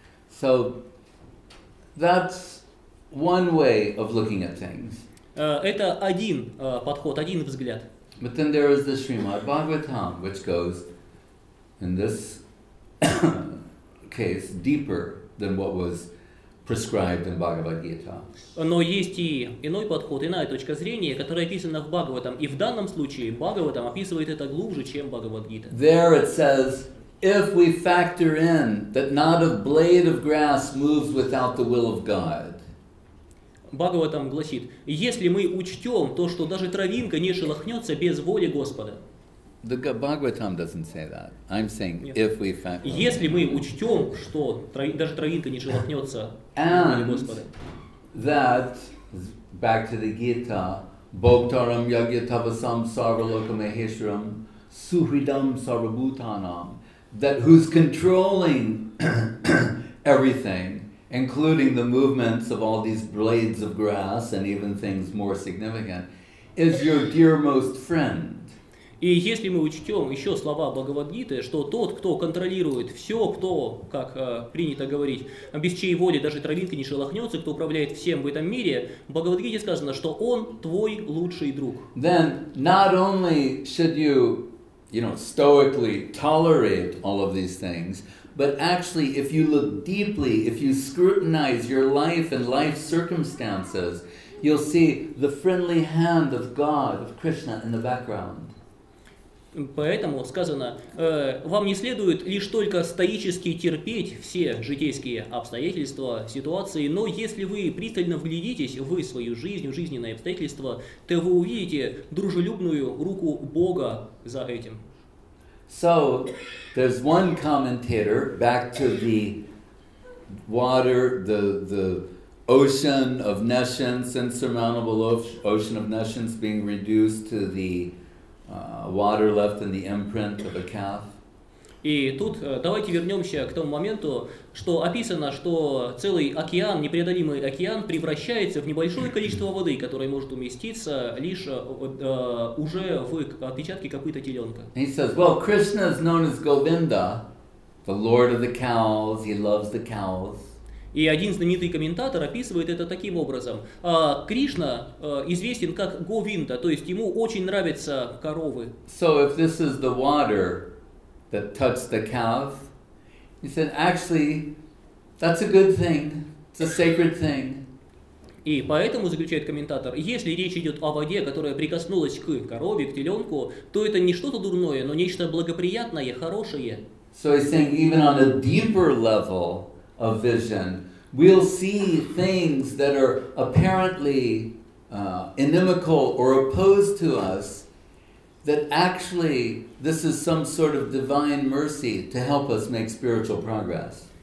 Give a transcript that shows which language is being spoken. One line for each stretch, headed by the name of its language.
English: So, that's one way of looking at things.
Russian: Это один подход, один взгляд.
English: But then there is the Srimad Bhagavatam, which goes, in this case, deeper than what was prescribed in Bhagavad Gita.
Russian: Но есть и иной подход, иная точка зрения, которая описана в Бхагаватам. И в данном случае Бхагаватам описывает это глубже, чем Бхагавад-гита.
English: There it says, if we factor in that not a blade of grass moves without the will of God.
Russian: Бхагава там гласит, если мы учтем то, что даже травинка не шелохнется без воли Господа.
English: The Bhagava там doesn't say that. I'm saying yes. If we factor.
Russian: Если мы учтем, что даже травинка не шелохнется без воли Господа.
English: And that, back to the Gita, Bhoktaram Yagyatavasam Sarvalokamaheshram Suhridam Sarvabhutanam, that who's controlling everything, including the movements of all these blades of grass and even things more significant, is your dearmost friend.
Russian: И если мы учтем еще слова Бхагавад-гиты, что тот, кто контролирует все, кто, как принято говорить, без чьей воли даже травинка не шелохнется, кто управляет всем в этом мире, в Бхагавад-гите сказано, что он твой лучший друг.
English: Then not only should you, you know, stoically tolerate all of these things, but actually, if you look deeply, if you scrutinize your life and life circumstances, you'll see the friendly hand of God, of Krishna, in the background.
Russian: Поэтому сказано, вам не следует лишь только стоически терпеть все житейские обстоятельства, ситуации, но если вы пристально вглядитесь в свою жизнь, в жизненные обстоятельства, то вы увидите дружелюбную руку Бога за этим.
English: So, there's one commentator, back to the water, the ocean of nescience, insurmountable ocean of nescience being reduced to the water left in the imprint of a calf.
Russian: И тут давайте вернемся к тому моменту, что описано, что целый океан, непреодолимый океан, превращается в небольшое количество воды, которое может уместиться лишь уже в отпечатке копыта теленка.
English: He says, well, Krishna is known as Govinda, the lord of the cows, he loves the cows.
Russian: И один знаменитый комментатор описывает это таким образом. Кришна известен как Говинда, то есть ему очень нравятся коровы.
English: So if this is the water that touched the calf, he said, actually, that's a good thing, it's a sacred thing.
Russian: И поэтому, заключает комментатор, если речь идет о воде, которая прикоснулась к корове, к теленку, то это не что-то дурное, но нечто благоприятное, хорошее.
English: So he's saying, even on a deeper level of vision, we'll see things that are apparently inimical or opposed to us, that actually this is some sort of divine mercy to help us make spiritual progress.